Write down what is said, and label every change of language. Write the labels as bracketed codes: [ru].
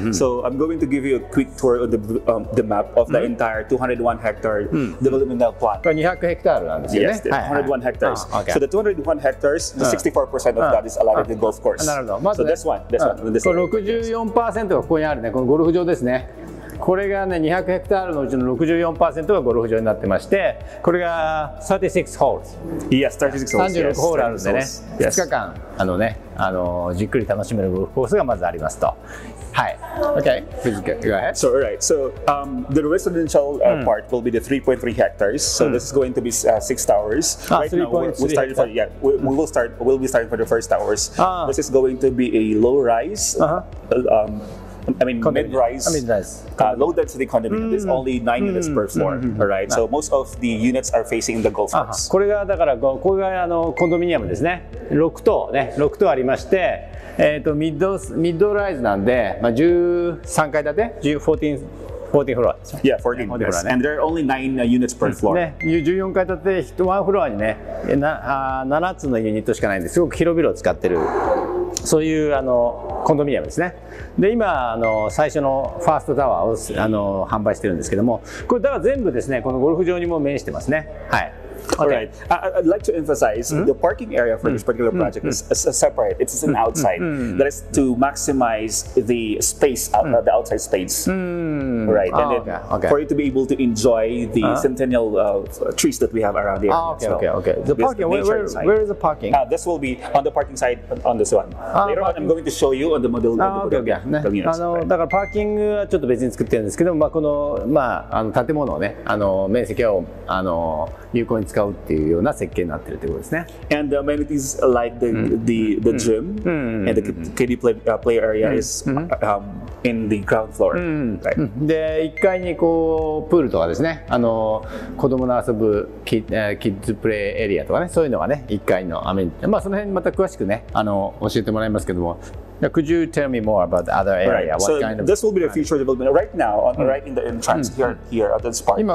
[en] So I'm going to give you a quick tour of the map of the entire 201 hectare developmental plan. [ja] 200 hectares なんですよね。 [en] Yes, 201 hectares. So the 201 hectares, 64% of that is allotted to golf course. [ja] なるほど。まずね。 [en] So this one. [ja] 64% がここにあるね、このゴルフ場ですね。これがね、200ヘクタールのうちの 64% がゴルフ場になってまして、これが36 holes。 [en] Yes, 36 holes. [ja] 36 holes あるんでね。 2日間、じっくり楽しめるゴルフコースがまずありますと。はい。 [en] Okay, please go ahead. So, alright. So, the residential part will be the 3.3 hectares. So, this is going to be 6 towers. We'll be starting for the first towers. This is going to be a low rise. Low density condominium. Mm-hmm. There's only 9 units per floor. Mm-hmm. All right. So most of the units are facing the golf course. [ja] これがだからこれがあのコンドミニアムですね。6棟ね、6棟ありまして、ミッドライズなんで、まあ13階建て、 [en] 14 floor。 Yeah, 14 floor. And there are only 9 units per floor. [ja] ね、14階建て、1フロアにね、7つのユニットしかないんで、すごく広々使ってる。そういうあのコンドミニアムですね。で今最初のファーストタワーを販売してるんですけども、これだから全部ですね、このゴルフ場にも面してますね。はい。 [en] Alright, I'd like to emphasize the parking area for this particular project is separate. It's an outside. That is to maximize the space, the outside space. Right, and for you to be able to enjoy the centennial trees that we have around here. Okay. The parking, where is the parking? This will be on the parking side on this one. Later on, I'm going to show you on the model. [ja] だからパーキングはちょっと別に作ってるんですけど、まあこの、まあ、あの建物をね、あの面積を有効に使うっていうような設計になってるってことですね。 [en] And the amenities like the gym and the kiddie play area is in the ground floor. [ja] で1階にこうプールとかですね、子供の遊ぶキッズプレイエリアとかね、そういうのがね1階のアメニティ、まあその辺また詳しくね教えてもらいますけども。 [en] Could you tell me more about the other area? What so kind of this will be the future development. Right now, right in the entrance here at this park.